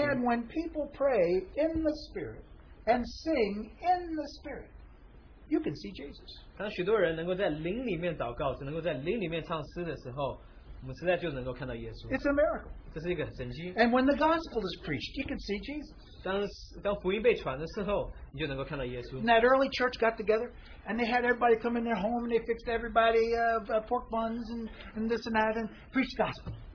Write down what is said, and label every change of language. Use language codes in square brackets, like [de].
[en] And when people pray in the Spirit and sing in the Spirit, you can see Jesus. [zh] 当许多人能够在灵里面祷告,只能够在灵里面唱诗的时候, [en] it's a miracle. And when the gospel is preached, you can see Jesus. [zh] 当福音被传的时候,你就能够看到耶稣。 [en] And that early church got together, and they had everybody come in their home, and they fixed everybody pork buns and this and that, and preached gospel.